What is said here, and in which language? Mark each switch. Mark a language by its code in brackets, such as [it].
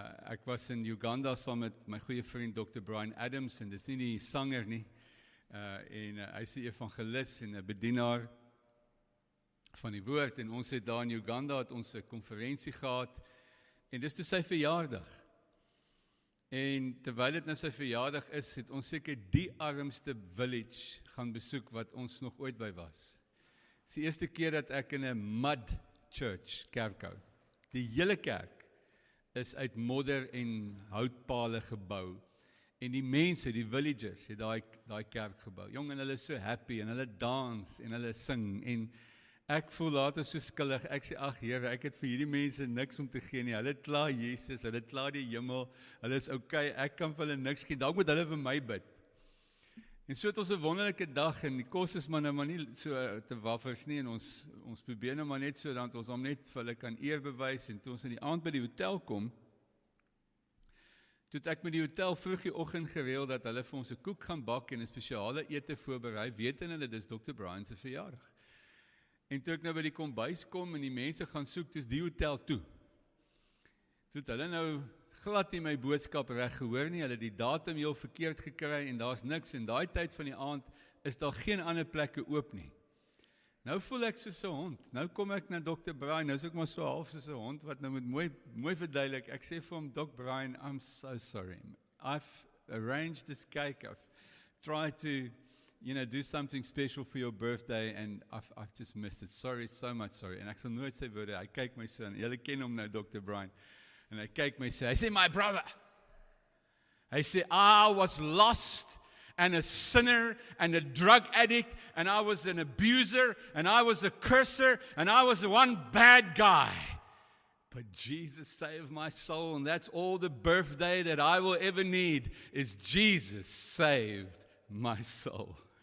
[af] Ek was in Uganda saam met my goeie vriend Dr. Brian Adams, en dit is nie die sanger nie, hy is die evangelist en een bedienaar van die woord, en ons het daar in Uganda, het ons een konferensie gehad, en dit is toe sy verjaardag. En terwyl dit nou sy verjaardag is, het ons seker die armste village gaan besoek wat ons nog ooit by was. Dit is die eerste keer dat ek in 'n mud church kerk hou. Die hele kerk is uit modder en houtpale gebou. En die mense, die villagers, het daai kerk gebou. Jong, en hulle is so happy, en hulle dans, en hulle sing. En ek voel later so skuldig. Ek sê, ach Heere, ek het vir hierdie mense niks om te gee nie. Hulle kla Jesus, hulle kla die hemel. Hulle is okay, ek kan vir hulle niks gee. Dalk moet hulle vir my bid. En so het ons 'n wonderlike dag, en die kos is maar nou maar nie so te waffers nie, en ons probeer nou maar net so, dat ons om net vir hulle kan eer bewys, en toe ons in die aand by die hotel kom, toe het ek met die hotel vroeg die oggend gereël, dat hulle vir ons 'n koek gaan bak, en 'n speciale ete voorberei, weet en hulle, dis Dr. Brian se verjaardag. En toe ek nou by die kombuis kom, en die mense gaan soek, toe is die hotel toe. Toe het hulle nou glad nie my boodskap reg gehoor nie, hulle die datum heel verkeerd gekry en daar is niks, en daai tyd van die aand is daar geen ander plekke oop nie. Nou voel ek soos 'n hond, nou kom ek na Dr. Brian, nou is ek maar so half soos 'n hond, wat nou moet mooi verduidelik, ek sê vir hom, Dr. [en] Brian, I'm so sorry, I've arranged this cake, I've tried to, you know, do something special for your birthday, and I've just missed it, sorry, so much sorry, [af] en ek sal nooit sy woorde, hy kyk my so, julle ken hom nou, Dr. [en] Brian, [af] en hy kyk my sê, hy sê, [en] my brother, [af] hy sê, [en] I was lost, and a sinner, and a drug addict, and I was an abuser, and I was a curser, and I was one bad guy, but Jesus saved my soul, and that's all the birthday that I will ever need, is Jesus saved my soul.